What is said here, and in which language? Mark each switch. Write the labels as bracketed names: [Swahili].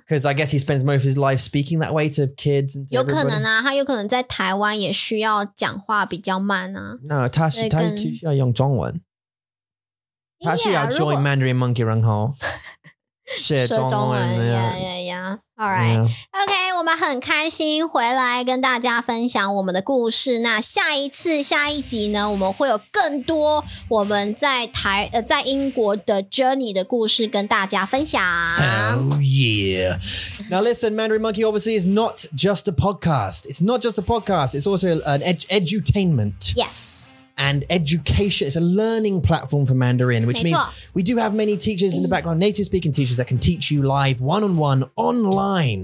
[English] because I guess he spends most of his life speaking that way to kids and. [Chinese] 有可能啊，他有可能在台湾也需要讲话比较慢啊。 [English] No, [Chinese] 他需要用中文，他需要 [English] join Mandarin Monkey [Chinese] 然后学中文。 [English] Yeah, all right, okay. [Chinese] 我们很开心回来跟大家分享我们的故事。那下一次下一集呢，我们会有更多我们在英国的 journey 的故事跟大家分享。 [English] Oh yeah! Now listen, Mandarin Monkey obviously is not just a podcast. It's not just a podcast. It's also an edutainment. Yes. And education is a learning platform for Mandarin, which means we do have many teachers in the background, native speaking teachers that can teach you live, one-on-one, online.